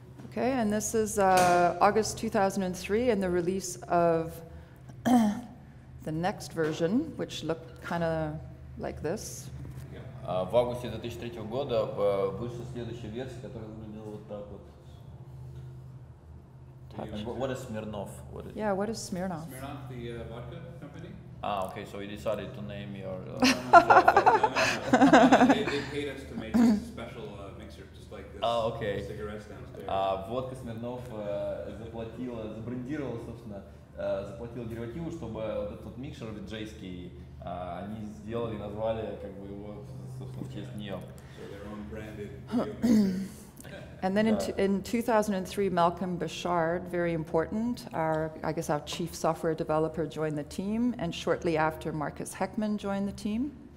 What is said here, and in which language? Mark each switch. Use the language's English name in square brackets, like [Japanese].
[English] Okay, and this is August 2003, and the release of the next version, which looked kind of like this. [Russian] В августе 2003 года вышла следующая версия, которая выглядела вот так вот. [English] What is Smirnoff? What is Smirnoff? Smirnoff, the vodka company. Ah, okay, so you decided to name your... they paid us to make a special mixer, just like this. Ah, okay. Cigarettes downstairs. [Russian] Vodka Smirnoff заплатила, забрендировала, собственно, заплатила деривативу, чтобы вот этот микшер виджейский, они сделали, назвали как бы его, собственно, в честь нее. [English] So their own branded mixer. And then in 2003, Malcolm Bouchard, very important, our chief software developer, joined the team, and shortly after, Marcus Heckman joined the team.